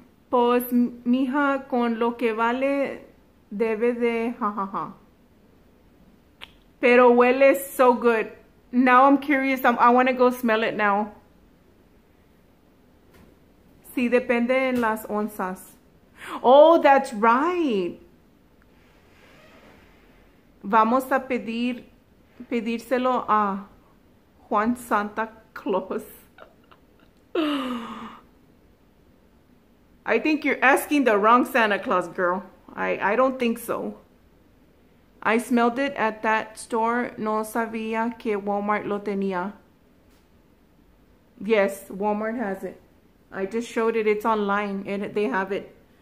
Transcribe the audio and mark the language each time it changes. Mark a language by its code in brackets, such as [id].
[es] Pues, mija, con lo que vale, debe de, jajaja. Pero huele [en] so good. Now I'm curious, I want to go smell it now. [es] Sí, depende en las onzas. [en] Oh, that's right. [es] Vamos a pedírselo a Juan Santa Claus. [en] I think you're asking the wrong Santa Claus, girl. I don't think so. I smelled it at that store. [es] No sabía que Walmart lo tenía. [en] Yes, Walmart has it. I just showed it. It's online and they have it.